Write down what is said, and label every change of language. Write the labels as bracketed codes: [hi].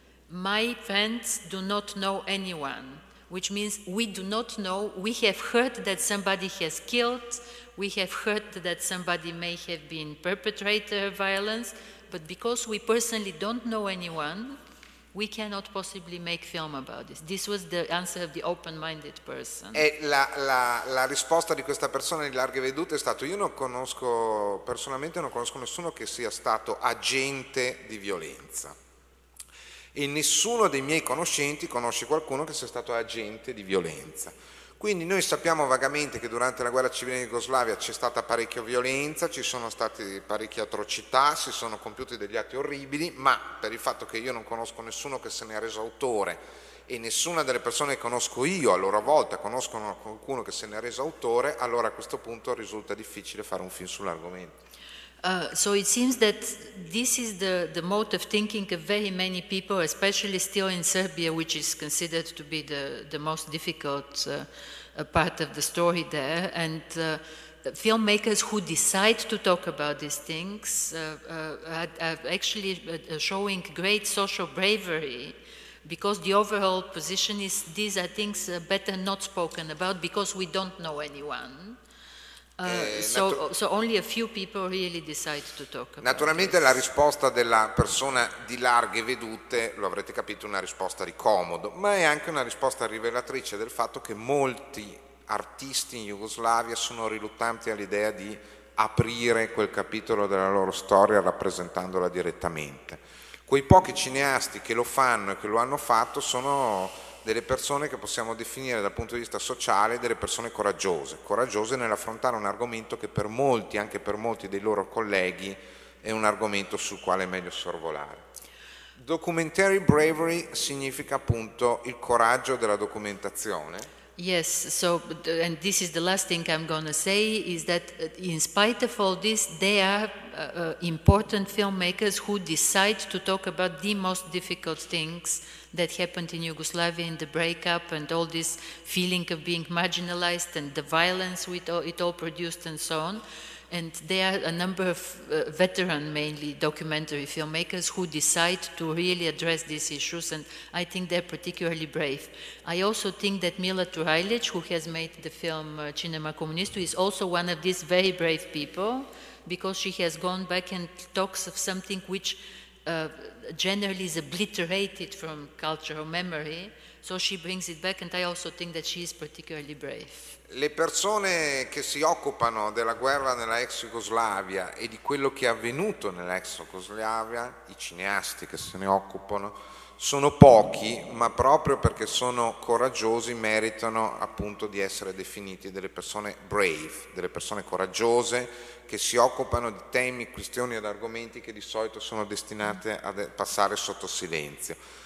[en] My friends do not know anyone, which means we do not know. We have heard that somebody has killed. We have heard that somebody may have been perpetrator of violence. But because we personally don't know anyone, we cannot possibly make film about this. This was the answer of the open-minded person. [it] E la risposta di questa persona di larghe vedute è stato: io non conosco personalmente, non conosco nessuno che sia stato agente di violenza. E nessuno dei miei conoscenti conosce qualcuno che sia stato agente di violenza. Quindi noi sappiamo vagamente che durante la guerra civile in Jugoslavia c'è stata parecchia violenza, ci sono state parecchie atrocità, si sono compiuti degli atti orribili, ma per il fatto che io non conosco nessuno che se ne è reso autore e nessuna delle persone che conosco io a loro volta conoscono qualcuno che se ne è reso autore, allora a questo punto risulta difficile fare un film sull'argomento. [en] So it seems that this is the mode of thinking of very many people, especially still in Serbia, which is considered to be the most difficult part of the story there. And filmmakers who decide to talk about these things are actually showing great social bravery, because the overall position is these are things better not spoken about because we don't know anyone. So only a few people really decide to talk about. [it] Naturalmente [en] this. [it] La risposta della persona di larghe vedute, lo avrete capito, una risposta di comodo, ma è anche una risposta rivelatrice del fatto che molti artisti in Jugoslavia sono riluttanti all'idea di aprire quel capitolo della loro storia rappresentandola direttamente. Quei pochi cineasti che lo fanno e che lo hanno fatto sono delle persone che possiamo definire dal punto di vista sociale delle persone coraggiose nell'affrontare un argomento che per molti, anche per molti dei loro colleghi, è un argomento sul quale è meglio sorvolare. [en] Documentary bravery [it] significa appunto il coraggio della documentazione. [en] Yes, so, and this is the last thing I'm going to say, is that in spite of all this, there are important filmmakers who decide to talk about the most difficult things that happened in Yugoslavia in the breakup and all this feeling of being marginalized and the violence it all produced and so on. And there are a number of veteran, mainly documentary filmmakers, who decide to really address these issues, and I think they're particularly brave. I also think that Mila Turajlić, who has made the film Cinema Comunista, is also one of these very brave people, because she has gone back and talks of something which generally is obliterated from cultural memory, so she brings it back, and I also think that she is particularly brave. [it] Le persone che si occupano della guerra nella ex Jugoslavia e di quello che è avvenuto nella ex Jugoslavia, i cineasti che se ne occupano, sono pochi, ma proprio perché sono coraggiosi meritano appunto di essere definiti delle persone brave, delle persone coraggiose che si occupano di temi, questioni ed argomenti che di solito sono destinate a passare sotto silenzio.